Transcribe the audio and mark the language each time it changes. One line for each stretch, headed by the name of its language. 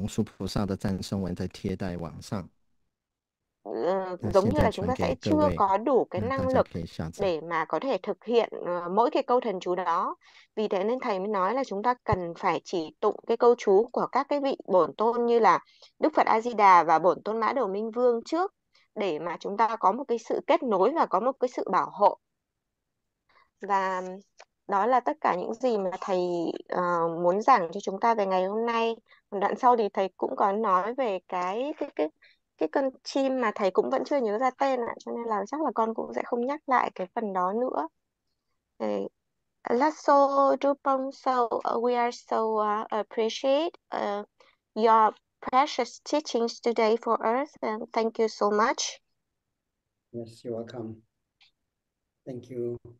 Chinese: 等一下我们会把这个芝麻的这个赞颂文的龙树菩萨的赞颂文再贴在网上。
Vietnamese: Giống như là chúng ta sẽ chưa có đủ cái năng lực để mà có thể thực hiện mỗi cái câu thần chú đó. Vì thế nên thầy mới nói là chúng ta cần phải chỉ tụng cái câu chú của các cái vị bổn tôn như là Đức Phật A Di Đà và bổn tôn Mã Đầu Minh Vương trước để mà chúng ta có một cái sự kết nối và có một cái sự bảo hộ. Và đó là tất cả những gì mà thầy muốn giảng cho chúng ta về ngày hôm nay. Đoạn sau thì thầy cũng có nói về cái con chim mà thầy cũng vẫn chưa nhớ ra tên ạ, cho nên là chắc là con cũng sẽ không nhắc lại cái phần đó nữa.
English: Lasso Drupon, so we are so appreciate your precious teachings today for us, and thank you so much. Yes, you're welcome. Thank you.